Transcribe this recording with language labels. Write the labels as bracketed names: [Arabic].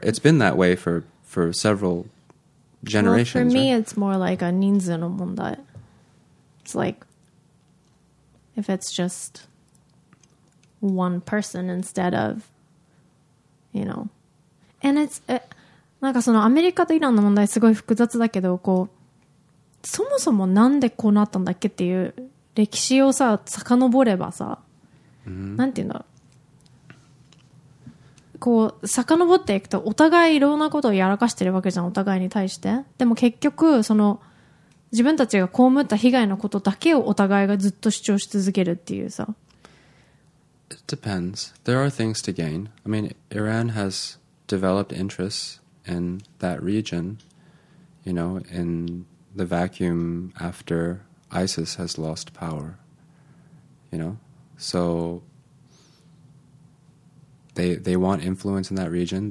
[English] It's been that way for several generations. Well, for me, it's more like a [Japanese] 人数の問題. [English] It's like if it's just one person instead of, you know. And it's... [Japanese] なんかそのアメリカとイランの問題すごい複雑だけど、こうそもそもなんでこうなったんだっけっていう歴史をさ遡ればさ、なんていうんだろう、こう遡っていくとお互いいろんなことをやらかしてるわけじゃん、お互いに対して。でも結局その自分たちが被った被害のことだけをお互いがずっと主張し続けるっていうさ。 [English] It depends. There are things to gain. I mean, Iran has developed interests in that region, you know, in the vacuum after ISIS has lost power, you know? So they want influence in that region.